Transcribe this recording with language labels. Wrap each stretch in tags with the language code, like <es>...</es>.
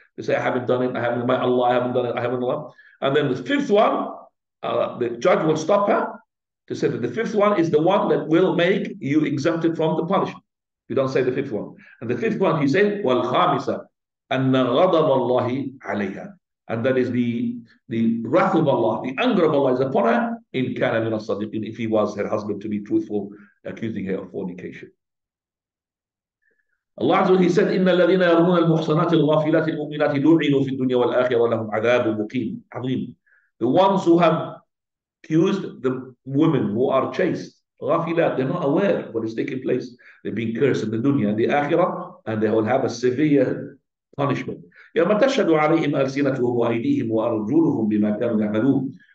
<en>They say, I haven't done it, I haven't, my Allah, I haven't done it, I haven't done it. And then the fifth one, the judge will stop her, to say that the fifth one is the one that will make you exempted from the punishment. You don't say the fifth one. And the fifth one, he said,</en> <ar>وَالْخَامِسَ أَنَّ غَضَبَ اللَّهِ عَلَيْهَا,</ar> <en>and that is the wrath of Allah, the anger of Allah is upon her,</en> <ar>إِنْ كَانَ مِنَ الصَّدِقِينَ,</ar> <en>if he was her husband, to be truthful, accusing her of fornication.</en> <ar>Allah Azza wa Jalla, he said, إِنَّ الَّذِينَ يَرْمُونَ الْمُحْصَنَاتِ الْغَافِلَاتِ الْمُؤْمِنَاتِ لُعِنُوا فِي الدُّنْيَا وَالْآخِرَةِ وَلَهُمْ عَذَابٌ مُقِيمٌ عَظِيمٌ.</ar> <en>The ones who have accused the women who are chaste, ghafilat, they're not aware of what is taking place. They're being cursed in the dunya and the akhirah, and they will have a severe punishment.</en> <ar>يَوْمَ تَشْهَدُ عَلَيْهِمْ أَلْسِنَتُهُمْ وَأَيْدِيهِمْ وَأَرْجُلُهُمْ بِمَا كَانُوا يَعْمَلُونَ.</ar>